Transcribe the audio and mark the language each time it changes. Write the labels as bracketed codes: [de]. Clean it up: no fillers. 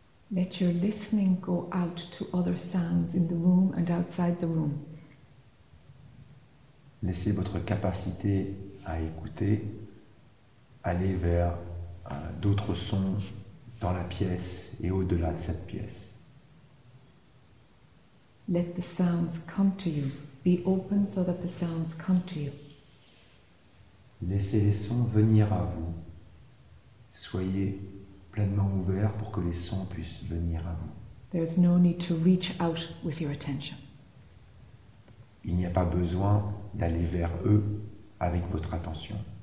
[en] Let your listening go out to other sounds in the room and outside the room. [fr] Laissez votre capacité à écouter aller vers d'autres sons dans la pièce et au-delà de cette pièce. [en] Let the sounds come to you. Be open so that the sounds come to you. [fr] Laissez les sons venir à vous. Soyez pleinement ouvert pour que les sons puissent venir à vous. [en] There's no need to reach out with your attention. [fr] Il n'y a pas besoin d'aller vers eux avec votre attention.